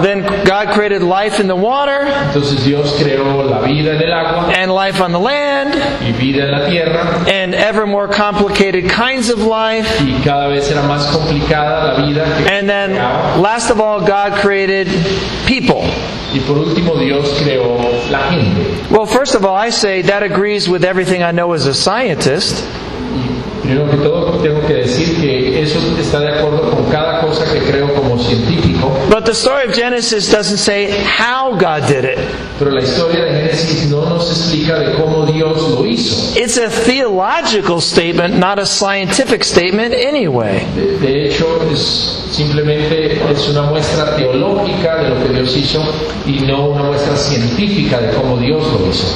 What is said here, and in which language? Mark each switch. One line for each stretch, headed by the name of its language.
English: then God created life in the water,
Spanish: entonces Dios creó la vida en el agua,
English: and life on the land,
Spanish: y vida en la tierra,
English: and ever more complicated kinds of life,
Spanish: y cada vez era más complicada la vida que
English: and then
Spanish: creaba.
English: Last of all, God created people.
Spanish: Y por último, Dios creó la gente.
English: Well, first of all, I say that agrees with everything I know as a scientist.
Spanish: Primero que todo, tengo que decir que eso está de acuerdo con cada cosa que creo como científico.
English: But the story of Genesis doesn't say how God did it.
Spanish: Pero la historia de Génesis no nos explica de cómo Dios lo hizo.
English: It's a theological statement, not a scientific statement anyway.
Spanish: De hecho, simplemente es una muestra teológica de lo que Dios hizo y no una muestra científica de cómo Dios lo hizo.